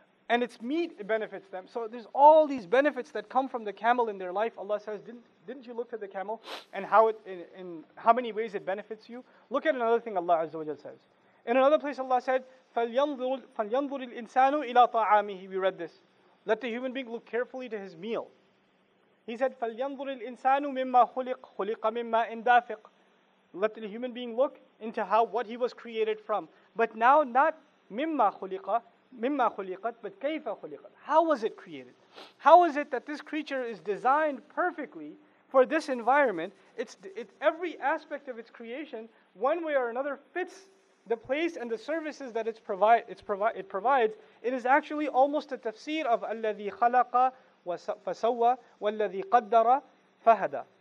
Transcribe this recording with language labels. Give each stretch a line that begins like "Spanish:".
English: And its meat benefits them. So there's all these benefits that come from the camel in their life. Allah says, didn't you look at the camel and how it in how many ways it benefits you? Look at another thing Allah Azza wa Jalla says. In another place Allah said,
Arabic: فَلْيَنْظُرِ الْإِنسَانُ إِلَىٰ طَعَامِهِ.
English: We read this. Let the human being look carefully to his meal.
Arabic: He said, فَلْيَنْظُرِ الْإِنسَانُ مِمَّا خُلِقْ خُلِقَ مِمَّا إِنْدَافِقْ.
English: Let the human being look into how what he was created from. But now not
Arabic: مِمَّا خُلِقَ مِمَّا خُلِقَتْ
English: but
Arabic: كَيْفَ خُلِقَتْ.
English: How was it created? How is it that this creature is designed perfectly for this environment? It's every aspect of its creation, one way or another, fits the place and the services that it provides. It is actually almost a tafsir of
Arabic: الَّذِي خَلَقَ فَسَوَّى وَالَّذِي قَدَّرَ فَهَدَى.